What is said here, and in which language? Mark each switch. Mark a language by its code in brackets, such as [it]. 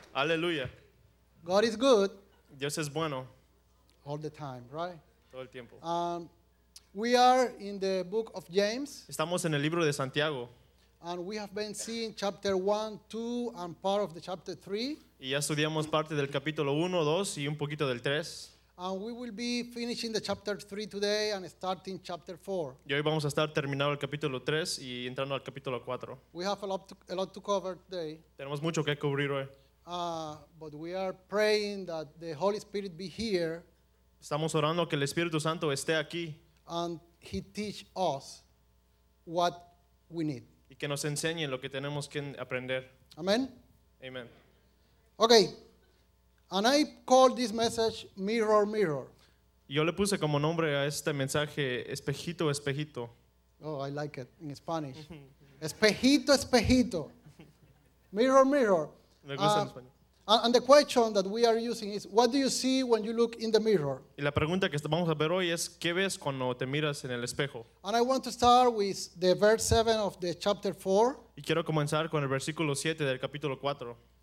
[en] Hallelujah. God is good. [es] Dios es bueno. [en] All the time, right? [es] Todo el tiempo. [en] We are in the book of James. [es] Estamos en el libro de Santiago. [en] And we have been seeing chapter 1, 2, and part of the chapter 3. [es] Y ya estudiamos parte del capítulo 1, 2 y un poquito del 3. [en] And we will be finishing the chapter 3 today and starting chapter 4. [es] Y hoy vamos a estar terminando el capítulo 3 y entrando al capítulo 4. [en] We have a lot to cover today. [es] Tenemos mucho que cubrir hoy. [en] But we are praying that the Holy Spirit be here. [es] Estamos orando que el Espíritu Santo esté aquí. [en] And he teach us what we need. Y que nos enseñe lo que tenemos que aprender. Amen. Amen. Okay, and I call this message Mirror, Mirror. [es] Yo le puse como nombre a este mensaje Espejito, Espejito. [en] Oh, I like it in Spanish. [es] Espejito, Espejito. [en] Mirror, Mirror. [es] Me gusta en español. [en] And the question that we are using is, what do you see when you look in the mirror? [es] Y la pregunta que vamos a ver hoy es, ¿qué ves cuando te miras en el espejo? [en] And I want to start with the verse 7 of the chapter 4. [es] Y quiero comenzar con el versículo 7 del capítulo 4.